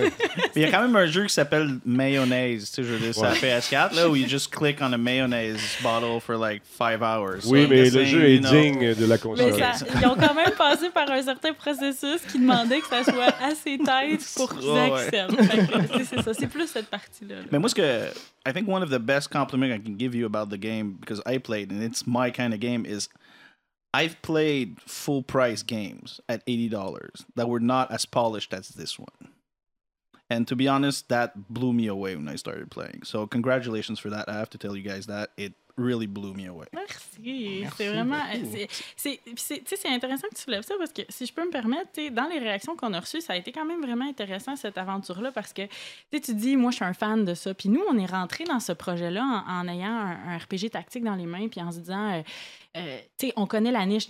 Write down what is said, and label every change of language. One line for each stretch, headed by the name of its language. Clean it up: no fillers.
French: rire> Il y a quand même un jeu qui s'appelle Mayonnaise, tu sais, je veux dire, ouais. Sur la PS4, là, où
English: you just click on a mayonnaise bottle for like 5 hours.
French: Oui, mais le jeu est digne de la console. Mais ça, ils ont quand même passé par un certain processus qui demandait que ça soit assez tight pour qu'ils acceptent. C'est ça, c'est plus cette partie-là. Mais moi, ce que...
English: I think one of the best compliments I can give you about the game, because I played, and it's my kind of game, is I've played full-price games at $80 that were not as polished as this one. And to be honest, that blew me away when I started playing. So congratulations for that. I have to tell you guys that it really blew me away.
French: Merci. C'est vraiment... C'est intéressant que tu soulèves ça parce que, si je peux me permettre, dans les réactions qu'on a reçues, ça a été quand même vraiment intéressant, cette aventure-là, parce que tu dis, moi, je suis un fan de ça. Puis nous, on est rentrés dans ce projet-là en ayant un RPG tactique dans les mains puis en se disant... t'sais, on connaît la niche.